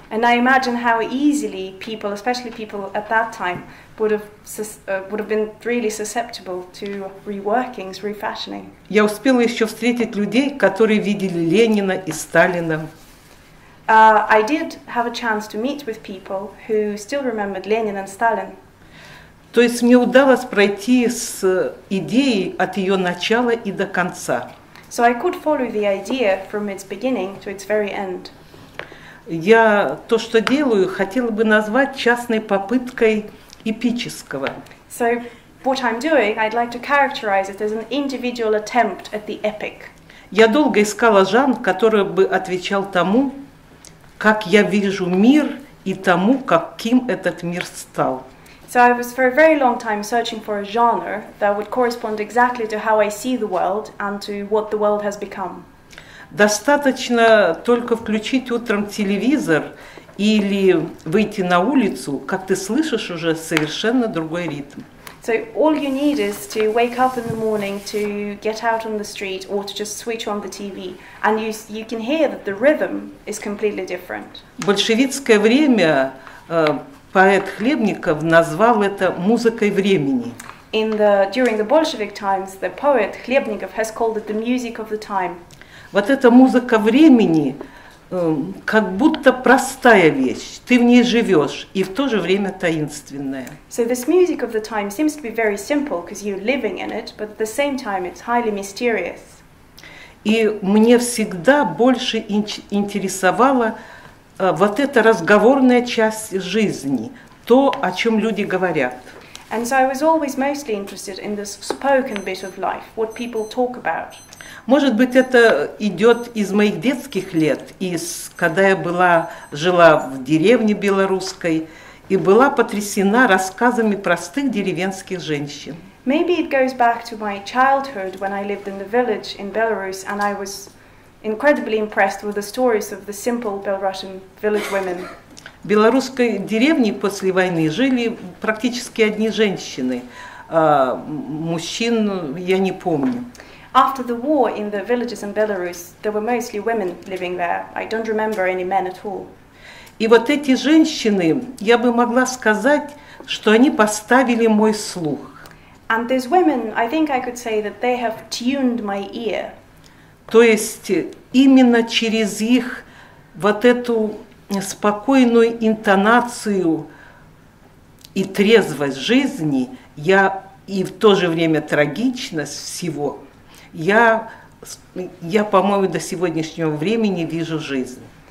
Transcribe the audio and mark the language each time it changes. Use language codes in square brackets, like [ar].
[en] And I imagine how easily people, especially people at that time, would have been really susceptible to reworkings, refashioning. [ru] Я успела еще встретить людей, которые видели Ленина и Сталина. [en] I did have a chance to meet with people who still remembered Lenin and Stalin. [ru] То есть мне удалось пройти с идеей от ее начала и до конца. [en] So I could follow the idea from its beginning to its very end. [ru] Я то, что делаю, хотела бы назвать частной попыткой эпического. [en] So what I'm doing, I'd like to characterize it as an individual attempt at the epic. [ru] Я долго искала жанр, который бы отвечал тому, как я вижу мир и тому, каким этот мир стал. [en] So I was for a very long time searching for a genre that would correspond exactly to how I see the world and to what the world has become. [ru] Достаточно только включить утром телевизор или выйти на улицу, как ты слышишь уже совершенно другой ритм. [en] So all you need is to wake up in the morning to get out on the street or to just switch on the TV and you can hear that the rhythm is completely different. [ru] Большевистское время поэт Хлебников назвал это музыкой времени. [en] During the Bolshevik times, the poet Хлебников has called it the music of the time. [ru] Вот эта музыка времени как будто простая вещь, ты в ней живешь, и в то же время таинственная. [en] So this music of the time seems to be very simple, because you're living in it, but at the same time it's highly mysterious. [ru] И мне всегда больше интересовала вот эта разговорная часть жизни, то, о чем люди говорят. [en] And so I was always mostly interested in this spoken bit of life, what people talk about. [ru] Может быть, это идет из моих детских лет, из когда я жила в деревне белорусской и была потрясена рассказами простых деревенских женщин. [en] Maybe it goes back to my childhood when I lived in the village in Belarus and I was incredibly impressed with the stories of the simple Belarusian village women. [ru] В белорусской деревне после войны жили практически одни женщины, мужчин я не помню. [en] After the war in the villages in Belarus, there were mostly women living there. I don't remember any men at all. [ru] И вот эти женщины, я бы могла сказать, что они поставили мой слух. [en] And these women, I think I could say that they have tuned my ear. [ru] То есть именно через их вот эту спокойную интонацию и трезвость жизни, я и в то же время трагичность всего. Я, по-моему, до сегодняшнего времени вижу жизнь.